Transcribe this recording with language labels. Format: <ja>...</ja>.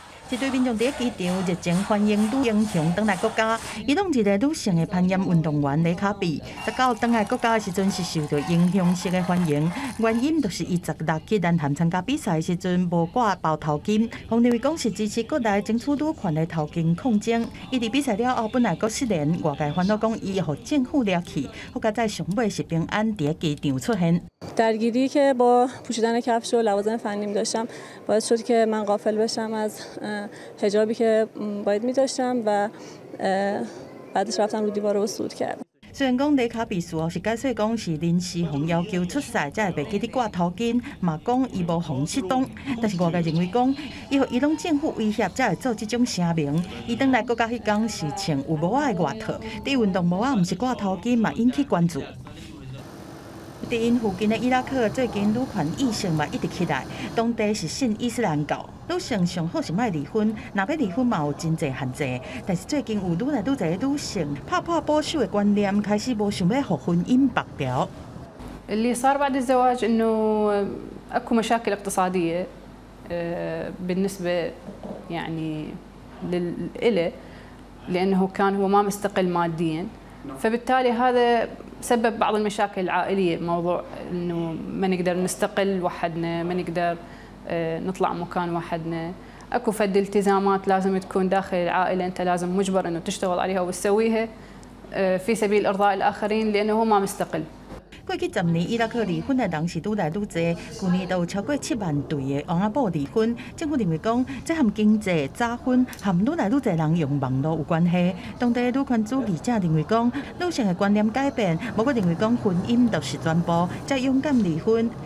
<nan>一对民众在机场热情欢迎女英雄回来国家，伊拢一个女性的攀岩运动员雷卡比，在到回来国家的时阵是受到英雄式的欢迎，原因就是伊16日南韩参加比赛的时阵无挂包头巾，方认为讲是支持国内争取女权的头巾抗争。伊伫比赛了后本来阁失联，外界烦恼讲伊予政府掠去，好佳在上尾是平安在机场出现。</nan> <fa>در گیری که با پوشیدن کفش و لوازم فنی می داشتم باعث شد که من غافل بشم از حجابی که باید می داشتم و بعدش رفتم رو دیوار و صعود کردم。</fa> <nan>虽然讲雷卡比斯哦是解释讲是临时红要求出赛，才会袂记得挂头巾，嘛讲伊无红失踪，但是外界认为讲伊予伊朗政府威胁，才会做这种声明。伊回来国家迄天是穿有帽仔的外套，对运动帽仔毋是挂头巾嘛引起关注。在因附近的伊拉克，最近女权意识嘛一直起来。当地是信伊斯兰教，女性上好是莫离婚，若要离婚嘛有真侪限制。但是最近有愈来愈侪女性打破保守的观念，开始无想要让婚姻白条。</nan> <ar>اللي صار بعد الزواج إنه أكو مشاكل اقتصادية بالنسبة يعني للإله لأنه كان هو ما مستقل مادياً فبالتالي هذا سبب بعض المشاكل العائلية موضوع إنه ما نقدر نستقل وحدنا ما نقدر نطلع مكان وحدنا أكو فد التزامات لازم تكون داخل العائلة أنت لازم مجبر إنه تشتغل عليها وتسويها في سبيل إرضاء الآخرين لأنه هو ما مستقل</ar> <nan>过去十年，伊拉克离婚的人是愈来愈多，去年都有超过70,000对的王阿婆离婚。政府认为讲，这和经济诈婚和愈来愈多人用网络有关系。当地女权主义者认为讲，女性的观念改变，不过认为讲婚姻就是全部，才勇敢离婚。</nan>